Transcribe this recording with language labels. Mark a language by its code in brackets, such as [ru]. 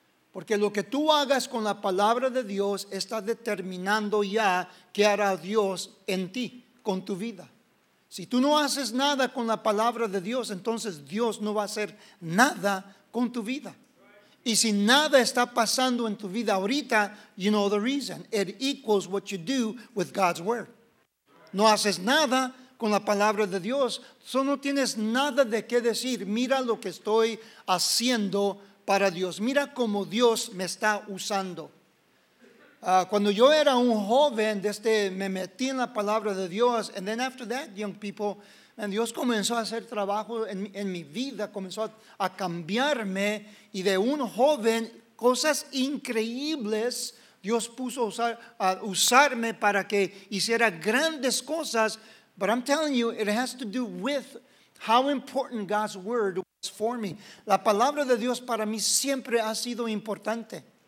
[es] Porque lo que tú hagas con la palabra de Dios está determinando ya qué hará Dios en ti, con tu vida. Si tú no haces nada con la palabra de Dios, entonces Dios no va a hacer nada con tu vida. Y si nada está pasando en tu vida ahorita, [en] you know the reason. It equals what you do with God's word. [es] No haces nada con la palabra de Dios, so no tienes nada de qué decir. Mira lo que estoy haciendo para Dios. Mira cómo Dios me está usando. Cuando yo era un joven, desde me metí en la palabra de Dios, [en] and then after that, young people, and [es] Dios comenzó a hacer trabajo en mi vida, comenzó a cambiarme, y de un joven, cosas increíbles, Dios puso a usarme para que hiciera grandes cosas. [en] But I'm telling you, it has to do with how important God's word was for me. [es] La palabra de Dios para mí siempre ha sido importante.